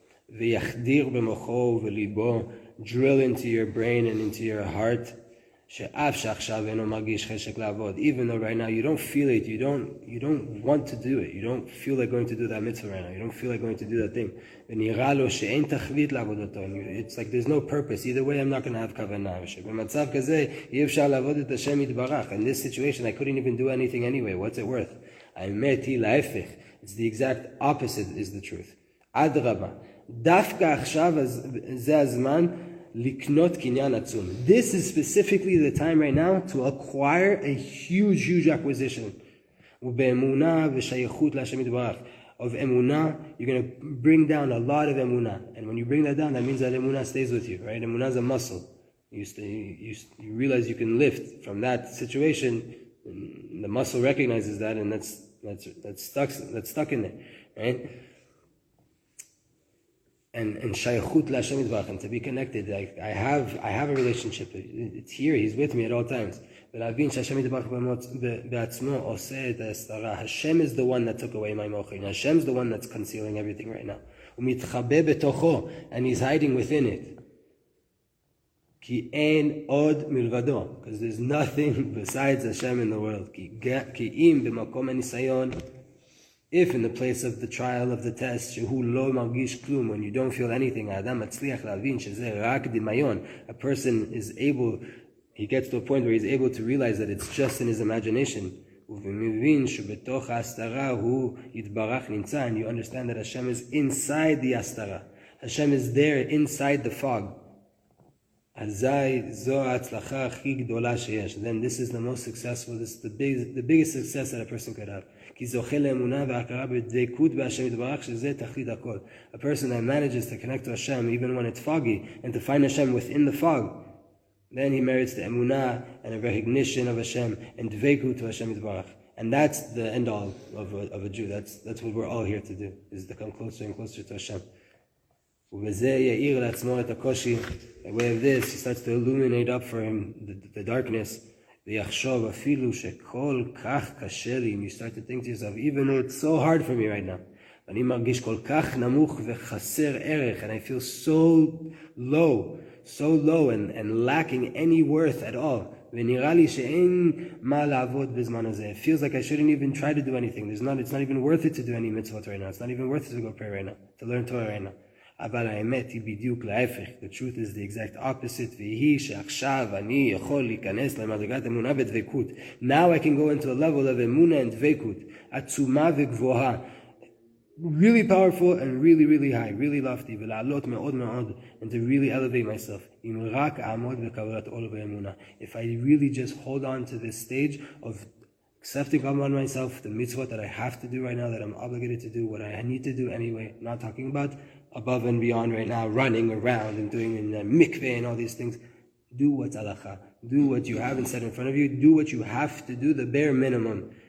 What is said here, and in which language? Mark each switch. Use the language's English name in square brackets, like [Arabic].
[Hebrew] ויחדיר במוחו וליבו, [English] drill into your brain and into your heart, [Hebrew] שאף שעכשיו אינו מרגיש חשק לעבוד. [English] Even though right now you don't feel it, you don't want to do it, you don't feel like going to do that mitzvah right now, you don't feel like going to do that thing. [Hebrew] ונראה לו שאין תכלית לעבודתו. [English] It's like there's no purpose. Either way, I'm not going to have כוונה. [Hebrew] במצב כזה, אי אפשר לעבוד את השם יתברך. [English] In this situation, I couldn't even do anything anyway. What's it worth? [Hebrew] האמת היא להפך. [English] It's the exact opposite is the truth. [Hebrew] עד רבה. דווקא עכשיו זה הזמן לקנות קניין עצום. [English] This is specifically the time right now to acquire a huge, huge acquisition. [Hebrew] ובאמונה ושייכות להשם יתברך. [English] Of emunah, you're going to bring down a lot of emunah. And when you bring that down, that means that emunah stays with you, right? Emunah is a muscle. You realize you can lift from that situation. And the muscle recognizes that, and that's stuck in there, right? And [Hebrew] shaykhut la'ashem yitbarach, [English] and to be connected. I have a relationship. It's here. He's with me at all times. [Hebrew] ולהבין שהשם יתברך בעצמו עושה את ההסתרה. [English] השם is the one that took away my מוחין. השם is the one that's concealing everything right now. [Hebrew] הוא מתחבא בתוכו, [English] and he's hiding within it. [Hebrew] כי אין עוד מלבדו. [English] Because there's nothing besides Hashem in the world. [Hebrew] כי אם במקום הניסיון, [English] if in the place of the trial of the test, [Hebrew] שהוא לא מרגיש כלום, [English] when you don't feel anything, [Hebrew] האדם מצליח להבין שזה רק דמיון. [English] A person is able, he gets to a point where he's able to realize that it's just in his imagination. [Hebrew] ומבין שבתוך ההסתרה הוא יתברך נמצא, [English] and you understand that Hashem is inside the הסתרה. Hashem is there inside the fog. [Hebrew] אזי זו ההצלחה הכי גדולה שיש. [English] Then this is the most successful, this is the biggest success that a person could have. [Hebrew] כי זוכה לאמונה והכרה בדקות בהשם יתברך, שזה תכלית הכל. [English] A person that manages to connect to Hashem, even when it's foggy, and to find Hashem within the fog, then he merits the emunah and a recognition of Hashem and dveku to Hashem Yitzbarach. And that's the end all of a Jew. That's what we're all here to do, is to come closer and closer to Hashem. [Hebrew] ובזה יאיר לעצמו את הקושי. [English] A way of this, he starts to illuminate up for him the darkness. [Hebrew] ויחשוב אפילו שכל כך קשה לי. [English] And you start to think to yourself, even though it's so hard for me right now, [Hebrew] ואני מרגיש כל כך נמוך וחסר ערך, [English] and I feel so low and lacking any worth at all. [Hebrew] ונראה לי שאין מה לעבוד בזמן הזה. [English] It feels like I shouldn't even try to do anything. It's not even worth it to do any mitzvot right now. It's not even worth it to go pray right now, to learn Torah right now. [Hebrew] אבל האמת היא בדיוק להפך. [English] The truth is the exact opposite. [Hebrew] והיא שעכשיו אני יכול להיכנס למדרגת אמונה ודבקות. [English] Now I can go into a level of אמונה and דבקות. [Hebrew] עצומה וגבוהה. [English] Really powerful and really, really high. Really lofty. [Hebrew] ולעלות מאוד מאוד. [English] And to really elevate myself. [Hebrew] אם רק אעמוד בקבלת עול ואמונה. [English] If I really just hold on to this stage of accepting upon myself the mitzvot that I have to do right now, that I'm obligated to do, what I need to do anyway, not talking about above and beyond right now, running around and doing in the mikveh and all these things. Do what's alakha. Do what you have and set in front of you. Do what you have to do, the bare minimum.